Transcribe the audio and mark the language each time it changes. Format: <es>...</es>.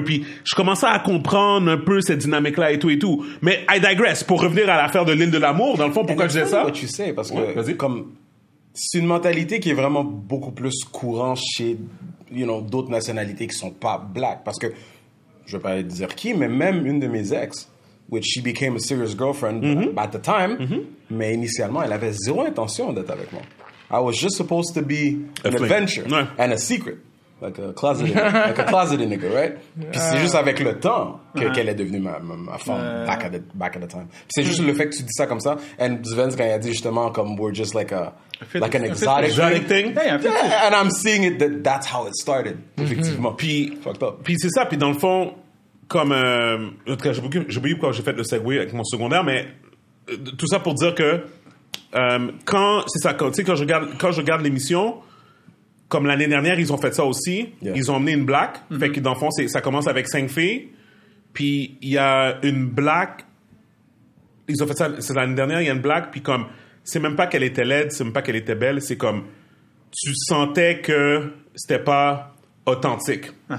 <fr>Puis je commençais à comprendre un peu cette dynamique là et tout. Mais I digress. Pour revenir à l'affaire de l'île de l'amour, dans le fond, pourquoi je disais ça? Tu sais, parce que comme c'est une mentalité qui est vraiment beaucoup plus courant chez, you know, d'autres nationalités qui sont pas black. Parce que je vais pas dire qui, mais même une de mes ex.</fr> <en>Which she became a serious girlfriend at the time.</en> <fr>Mais initialement, elle avait zéro intention d'être avec moi.</fr> <en>I was just supposed to be an adventure and a secret.</en> <fr>Like a closeted, like a closeted nigga, right? Puis c'est juste avec le temps qu'elle est devenue ma femme back at the time. Puis c'est juste le fait que tu dis ça comme ça. And Sven, quand il a dit justement comme we're just like an exotic</fr> <en>thing. Yeah, and I'm seeing it that's how it started, effectivement.</en> <fr>Puis</fr> <en>fucked up.</en> <fr>Puis c'est ça. Puis dans le fond... Comme, en tout cas, j'oublie quand j'ai fait le segue avec mon secondaire, mais tout ça pour dire que quand je regarde l'émission, comme l'année dernière, ils ont fait ça aussi, ils ont emmené une black, fait que dans le fond, ça commence avec 5 filles, puis il y a une black, ils ont fait ça, c'est l'année dernière, il y a une black, puis comme, c'est même pas qu'elle était laide, c'est même pas qu'elle était belle, c'est comme, tu sentais que c'était pas... authentique.</fr>